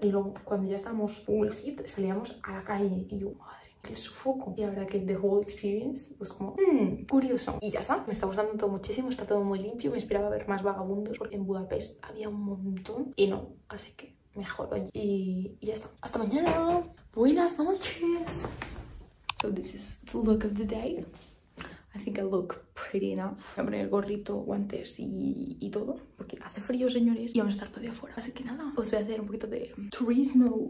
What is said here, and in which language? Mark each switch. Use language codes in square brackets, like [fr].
[es] Y luego cuando ya estábamos [en] full heat [es] salíamos a la calle y yo, madre, que sufoco. Y ahora que [en] the whole experience [es] pues como curioso. Y ya está, me está gustando todo muchísimo, está todo muy limpio. Me esperaba ver más vagabundos porque en Budapest había un montón y no, así que mejor hoy. Y ya está, hasta mañana, buenas noches. [en] So this is the look of the day. I think I look pretty enough. [es] Voy a poner gorrito, guantes y todo porque hace frío, señores, y vamos a estar todo de afuera, así que nada, os voy a hacer un poquito de turismo.